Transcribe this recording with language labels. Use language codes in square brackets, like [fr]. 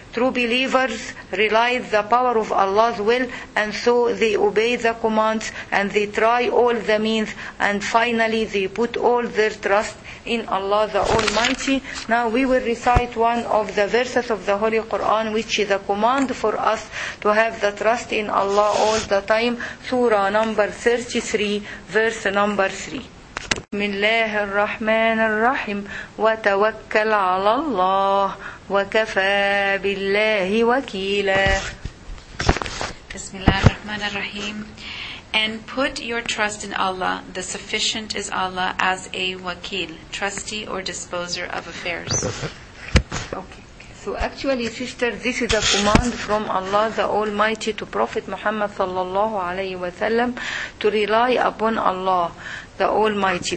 [en] True believers realize the power of Allah's will, and so they obey the commands and they try all the means, and finally they put all their trust in Allah the Almighty. Now we will recite one of the verses of the Holy Quran, which is a command for us to have the trust in Allah all the time. Surah number 33, verse number 3. [ar] بسم الله الرحمن الرحيم وتوكل على الله وكفى بالله وكيلا. بسم الله الرحمن الرحيم. [en] And put your trust in Allah. The sufficient is Allah as a wakil, trustee or disposer of affairs. So actually, sister, this is a command from Allah the Almighty to Prophet Muhammad sallallahu alayhi wa sallam to rely upon Allah the Almighty.